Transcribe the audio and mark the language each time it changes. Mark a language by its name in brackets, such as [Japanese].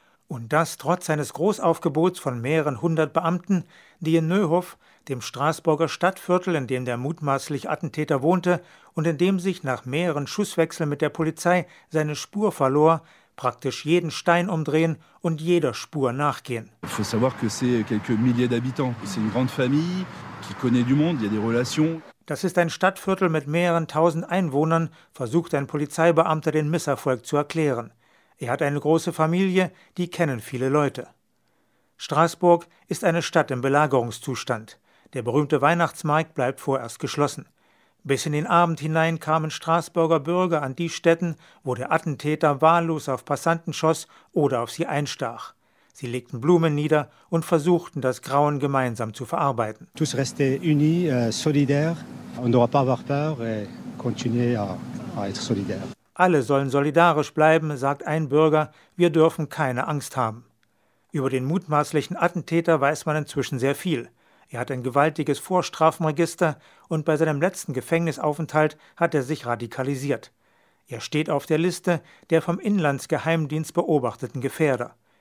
[German] Und das trotz seines Großaufgebots von mehreren 100 Beamten, die in Neuhof, dem Straßburger Stadtviertel, in dem der mutmaßliche Attentäter wohnte und in dem sich nach mehreren Schusswechseln mit der Polizei seine Spur verlor, praktisch jeden Stein umdrehen und jeder Spur nachgehen. [French] Il faut savoir que c'est quelques milliers d'habitants. C'est une grande famille. qui connaît du monde, il y a des relations. [German] Das ist ein Stadtviertel mit mehreren tausend Einwohnern, versucht ein Polizeibeamter den Misserfolg zu erklären. Er hat eine große Familie, die kennen viele Leute. Straßburg ist eine Stadt im Belagerungszustand. Der berühmte Weihnachtsmarkt bleibt vorerst geschlossen. Bis in den Abend hinein kamen Straßburger Bürger an die Stätten, wo der Attentäter wahllos auf Passanten schoss oder auf sie einstach. Sie legten Blumen nieder und versuchten, das Grauen gemeinsam zu verarbeiten. [French] Tous restez unis, solidaires. On ne doit pas avoir peur et continuer à être solidaires. [German] Alle sollen solidarisch bleiben, sagt ein Bürger. Wir dürfen keine Angst haben. Über den mutmaßlichen Attentäter weiß man inzwischen sehr viel. Er hat ein gewaltiges Vorstrafenregister und bei seinem letzten Gefängnisaufenthalt hat er sich radikalisiert. Er steht auf der Liste der vom Inlandsgeheimdienst beobachteten Gefährder.